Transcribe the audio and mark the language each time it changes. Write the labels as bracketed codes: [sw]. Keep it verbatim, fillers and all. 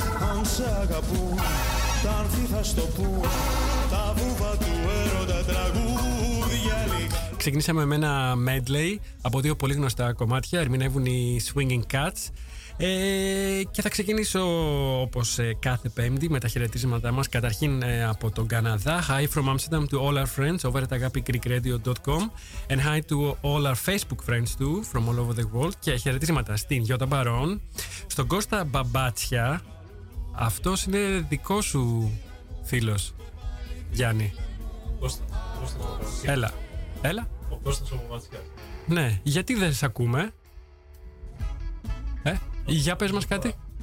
[el] Αν σ' αγαπούν, τα ανθή θα στο πούν. Τα βούβα του έρωτα τραγούδια. Ξεκινήσαμε με ένα medley από δύο πολύ γνωστά κομμάτια. Ερμηνεύουν οι Swinging Cats. Ε, και θα ξεκινήσω όπως ε, κάθε Πέμπτη με τα χαιρετίσματά μας. Καταρχήν ε, από τον Καναδά. [en] Hi from Amsterdam to all our friends over at agapi greek radio dot com and hi to all our Facebook friends too from all over the world. [el] Και χαιρετίσματα στην Γιώτα Μπαρόν, στον Κώστα Μπαμπάτσια. Αυτός είναι δικό σου φίλος, Γιάννη. Κώστα, Κώστα Μπαμπάτσια. Έλα, έλα. Ο Κώστας ο Μπαμπάτσιας. Ναι, γιατί δεν σε ακούμε? Ε, για πες μας κάτι.